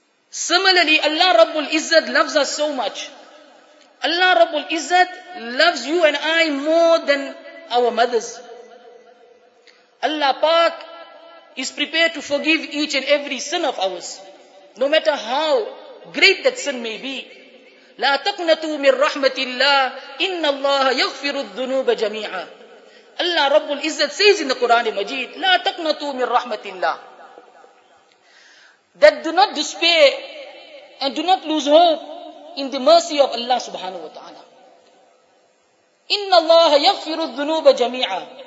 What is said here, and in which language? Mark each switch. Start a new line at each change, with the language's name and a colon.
English: Similarly, Allah Rabbul Izzat loves us so much. Allah Rabbul Izzat loves you and I more than our mothers. Allah Pak is prepared to forgive each and every sin of ours, no matter how great that sin may be.
Arabic: لا تقنطوا من رحمة الله إن الله يغفر الذنوب جميعا.
English: Allah Rabbul Izzat says in the Quran Majid,
Arabic: لا تقنطوا من رحمة الله.
English: That do not despair and do not lose hope in the mercy of Allah subhanahu wa ta'ala.
Arabic: Inna Allah yaghfiru dhunuba jami'a.